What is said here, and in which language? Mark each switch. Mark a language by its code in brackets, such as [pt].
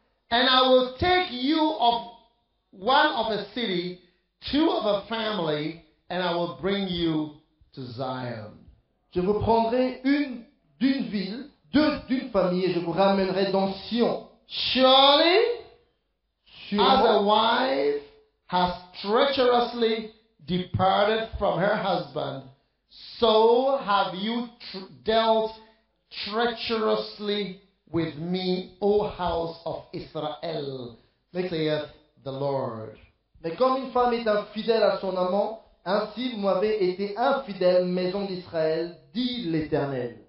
[en] And I will take you of one of a city, two of a family, and I will bring you to Zion. [fr] Je vous prendrai une d'une ville, deux d'une famille, et je vous ramènerai dans Sion. [en] Surely, as a wife has treacherously departed from her husband, so have you dealt treacherously with me, O house of Israel, saith the Lord. [fr] Mais comme une femme est infidèle à son amant, ainsi vous avez été infidèle, maison d'Israël, dit l'Éternel.